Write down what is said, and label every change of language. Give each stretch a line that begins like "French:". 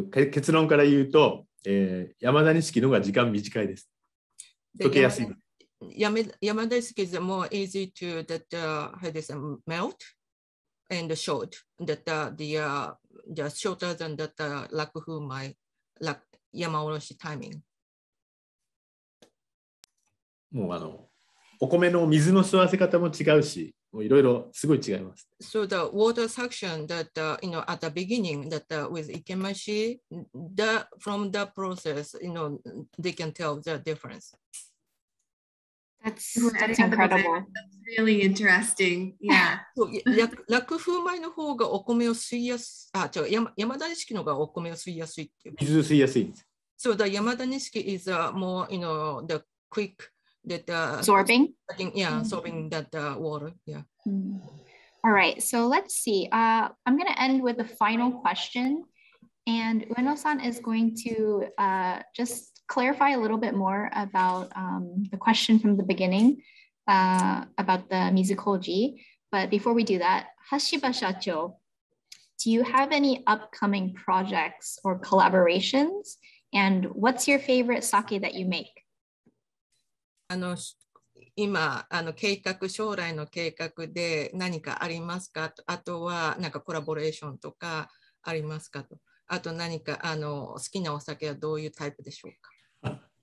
Japanese: 結論から言うと、山田錦の方が時間短いです。溶けやすい。
English: 山田錦 is more easy to that, how do you say, melt and short. That the shorter than that Rakufumai, Yamaoroshi timing.
Japanese: もうあのお米の水の吸わせ方も違うし、もういろいろすごい違います。
English: So the water suction that you know at the beginning that with ikemashi, the from the process, you know, they can tell the difference. That's incredible. That's really interesting. Yeah.
Japanese: そう、ラクフ米の方がお米を吸いやす、あ、違う、山田錦の方がお米を吸いやすいっていう。水を吸いやすいんです。
English: So the 山田錦 is more, you know, the quick. That absorbing, yeah, absorbing that water, yeah. All right, so let's see. I'm gonna end with the final question, and Ueno-san is going to just clarify a little bit more about the question from the beginning about the mizukoji. But before we do that, Hashiba Shacho, do you have any upcoming projects or collaborations? And what's your favorite sake that you make?
Japanese: あの今あの計画将来の計画で何かありますかとあとはなんかコラボレーションとかありますかとあと何かあの好きなお酒はどういうタイプでしょうか